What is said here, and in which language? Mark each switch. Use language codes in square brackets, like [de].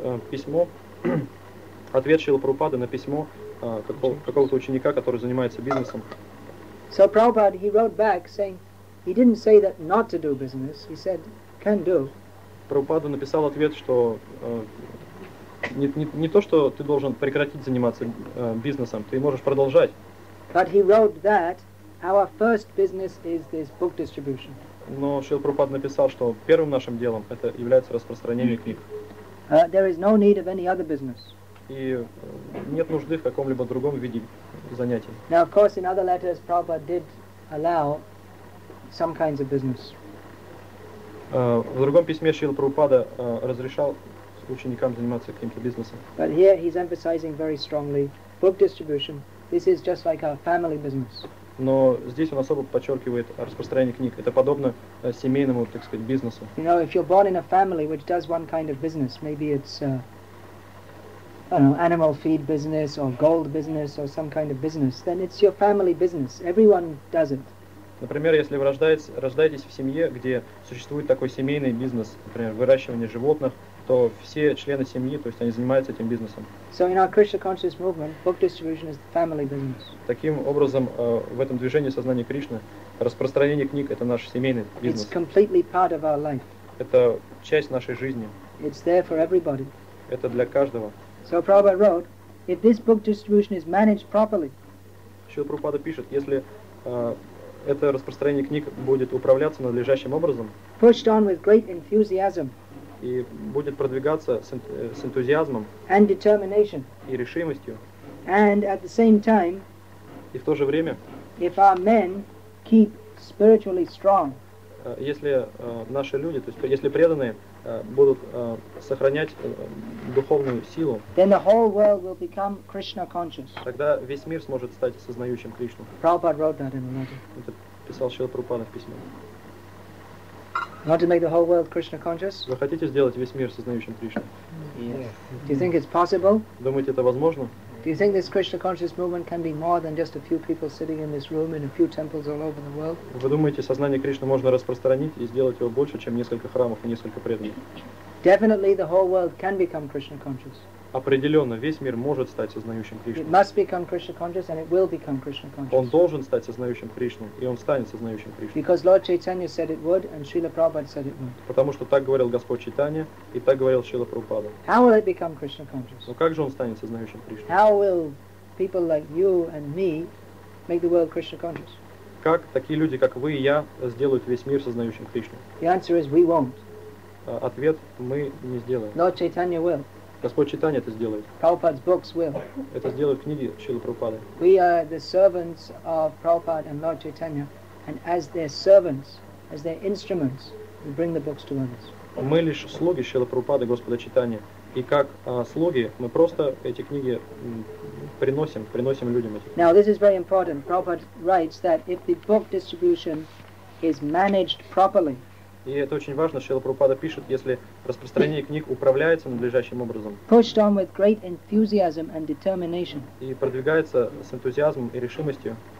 [ru] Письмо, ответ Шрилы Прабхупады на письмо какого-то ученика, который занимается бизнесом. [en] So Prabhupada, he wrote back saying, he didn't say that not to do business, he said, can do. [ru] Прабхупада написал ответ, что не то, что ты должен прекратить заниматься бизнесом, ты можешь продолжать. [en] But he wrote that our first business is this book distribution. [ru] Но Шрила Прабхупада написал, что первым нашим делом это является распространение книг. [en] There is no need of any other business. [ru] И нет нужды в каком-либо другом виде занятий. [en] Now, of course, in other letters, Prabhupada did allow some kinds of business. [ru] В другом письме Шрила Прабхупада разрешал ученикам заниматься каким-то бизнесом. [en] But here he's emphasizing very strongly book distribution. This is just like a family business. [ru] Но здесь он особо подчеркивает распространение книг. Это подобно семейному, так сказать, бизнесу. [en] You know, if you're born in a family which does one kind of business, maybe it's animal feed business or gold business or some kind of business, then it's your family business. Everyone does it. [ru] Например, если вы рождаетесь в семье, где существует такой семейный бизнес, например, выращивание животных, то все члены семьи, то есть они занимаются этим бизнесом. [en] So in our Krishna conscious movement, book distribution is the family business. [ru] Таким образом, в этом движении сознания Кришны распространение книг — это наш семейный бизнес. [en] It's completely part of our life. [ru] Это часть нашей жизни. [en] It's there for everybody. [ru] Это для каждого. [en] So Prabhupada wrote, if this book distribution is managed properly. [ru] Шрила Прабхупада пишет, если это распространение книг будет управляться надлежащим образом. [en] Pushed on with great enthusiasm. [ru] И будет продвигаться с энтузиазмом. [en] And determination. [ru] И решимостью. [en] And at the same time. [ru] И в то же время. [en] If our men keep spiritually strong. [ru] Если наши люди, то есть если преданные будут сохранять духовную силу. [en] Then the whole world will become Krishna conscious. [ru] Тогда весь мир сможет стать сознающим Кришну. [en] Prabhupada wrote that in a letter. [ru] Это писал Шрила Прабхупада в письме. [en] You want to make the whole world Krishna conscious? [ru] Вы хотите сделать весь мир сознающим Кришну? [en] Yes. Do you think it's possible? [ru] Думаете, это возможно? [en] Do you think this Krishna conscious movement can be more than just a few people sitting in this room in a few temples all over the world? [ru] Вы думаете, сознание Кришны можно распространить и сделать его больше, чем несколько храмов и несколько преданных? [en] Definitely the whole world can become Krishna conscious. [ru] Определенно, весь мир может стать сознающим Кришну. [en] It must become Krishna conscious and it will become Krishna conscious. [ru] Он должен стать сознающим Кришну, и он станет сознающим Кришну. [en] Because Lord Chaitanya said it would and Srila Prabhupada said it would. [ru] Потому что так говорил Господь Чайтанья и так говорил Шрила Прабхупада. [en] How will it become Krishna conscious? [ru] Но как же он станет сознающим Кришну? [en] How will people like you and me make the world Krishna conscious? [ru] Как такие люди, как вы и я, сделают весь мир сознающим Кришну? [en] The answer is we won't. [ru] Ответ: мы не сделаем. [en] Lord Chaitanya will. [ru] Господь Чайтанья это сделает. [en] Prabhupada's books will. [ru] Это сделают книги Шрилы Прабхупады. [en] We are the servants of Prabhupada and Lord Chaitanya, and as their servants, as their instruments, we bring the books to others. [ru] Мы лишь слуги Шрилы Прабхупады, Господа Чайтанья, и как слуги мы просто эти книги приносим людям эти. [en] Now this is very important. Prabhupada writes that if the book distribution is managed properly. [ru] И это очень важно, Шрила Прабхупада пишет, если распространение книг управляется надлежащим образом. [en] Pushed on with great enthusiasm and determination. [ru] И продвигается с энтузиазмом и решимостью.